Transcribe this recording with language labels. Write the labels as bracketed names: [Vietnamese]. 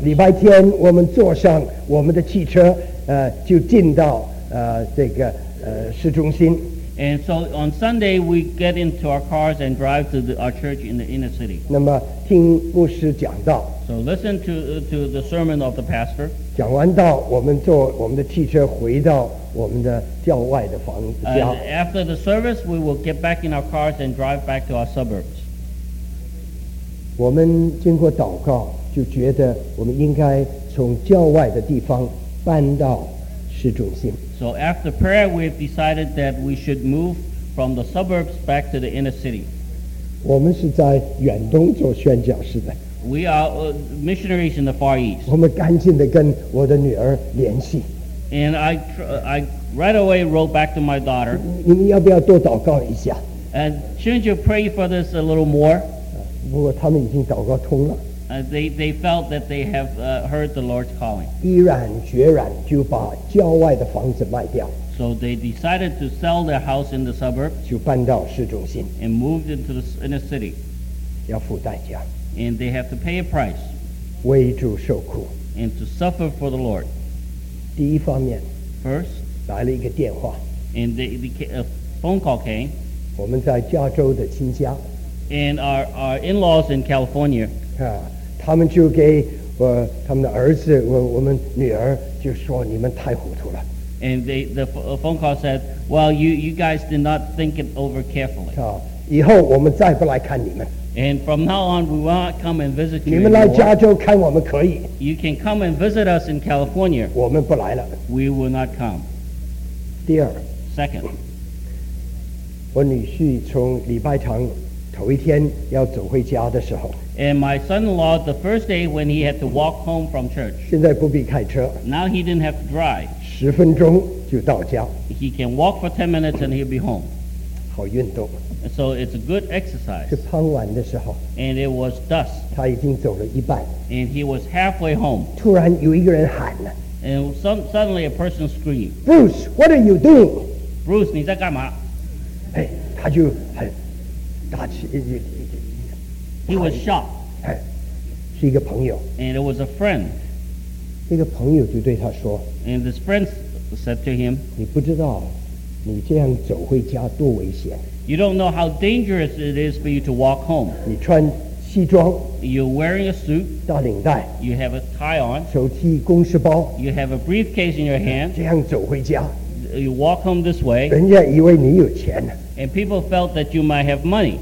[Chinese] 礼拜天我们坐上我们的汽车，就进到这个市中心。 [English] And so on Sunday we get into our cars and drive to our church in the inner city. [Chinese] 那么听牧师讲道。 [English] So listen to the sermon of the pastor. [Chinese] 讲完道，我们坐我们的汽车回到。我们的教外的房家。 [English] After the service, we will get back in our cars and drive back to our suburbs. [Chinese] 我们经过祷告，就觉得我们应该从教外的地方搬到市中心。 [English] So after prayer, we've decided that we should move from the suburbs back to the inner city. [Chinese] 我们是在远东做宣教士的。 [English] We are missionaries in the Far East. [Chinese] 我们赶紧地跟我的女儿联系。 [English] And I right away wrote back to my daughter. [Chinese] 你要不要多祷告一下? [English] And shouldn't you pray for this a little more? [Chinese] 不过他们已经祷告通了。 [English] They felt that they have heard the Lord's calling. [Chinese] 毅然决然就把郊外的房子卖掉。 [English] So they decided to sell their house in the suburb. [Chinese] 就搬到市中心。 [English] And moved into the inner city. [Chinese] 要付代价。 [English] And they have to pay a price. [Chinese] 为主受苦。 [English] And to suffer for the Lord. [Chinese] 第一方面, [English] First, [Chinese] 来了一个电话, [English] and a phone call came. [Chinese] 我们在加州的亲家, [English] and our in-laws in California, [Chinese] 啊, 他们就给我, 他们的儿子, 我们女儿就说, [English] and the phone call said, well, you guys did not think it over carefully. [Chinese] 啊, 以后我们再不来看你们。 [English] And from now on, we will not come and visit you. [Chinese] 你们来加州看我们可以。 [English] You can come and visit us in California. [Chinese] 我们不来了。 [English] We will not come. [Chinese] 第二, [English] Second, [Chinese] 我女婿从礼拜堂头一天要走回家的时候, [English] and my son-in-law, the first day when he had to walk home from church, [Chinese] 现在不必开车, [English] now he didn't have to drive. [Chinese] 10分钟就到家。 [English] He can walk for 10 minutes and he'll be home. [Chinese] 好运动。 [English] So it's a good exercise. [Chinese] 是傍晚的时候, [English] and it was dusk. [Chinese] 他已经走了一半, [English] and he was halfway home. [Chinese] 突然有一个人喊, [English] and suddenly a person screamed, Bruce, what are you doing? [Chinese] Bruce, 你在干嘛? Hey, 他就很大气。He [English] was shocked. [Chinese] Hey, 是一个朋友, [English] and it was a friend. [Chinese] 那个朋友就对他说, [English] and this friend said to him, [Chinese] 你不知道你这样走回家多危险。 [English] You don't know how dangerous it is for you to walk home. [Chinese] 你穿西装, [English] you're wearing a suit, [Chinese] 大领带, [English] you have a tie on, [Chinese] 手提公事包, [English] you have a briefcase in your hand, [Chinese] 这样走回家, [English] you walk home this way, [Chinese] 人家以为你有钱, [English] and people felt that you might have money,